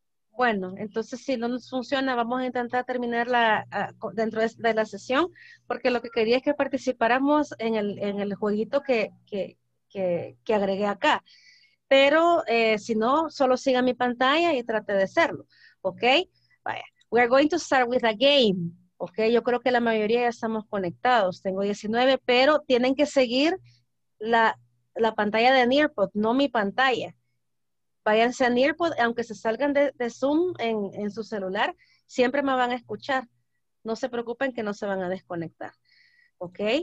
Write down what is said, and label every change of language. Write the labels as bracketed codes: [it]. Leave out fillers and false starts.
[es] Bueno, entonces si no nos funciona, vamos a intentar terminar dentro de la sesión, porque lo que quería es que participáramos en el jueguito que agregué acá. Pero si no, solo siga mi pantalla y trate de hacerlo, ¿ok? Vaya. [en] We are going to start with a game, ¿ok? [es] Yo creo que la mayoría ya estamos conectados. Tengo 19, pero tienen que seguir la pantalla de Nearpod, no mi pantalla. Váyanse a Nearpod, aunque se salgan de Zoom en su celular, siempre me van a escuchar. No se preocupen que no se van a desconectar, ¿ok?